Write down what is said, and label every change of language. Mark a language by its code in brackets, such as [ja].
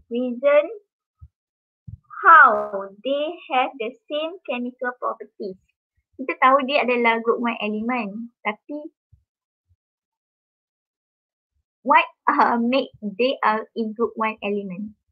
[en] Reason how they have the same chemical properties. [ms] Kita tahu dia adalah [en] group 1 element. [ms] Tapi [en] what make they are in group 1 element.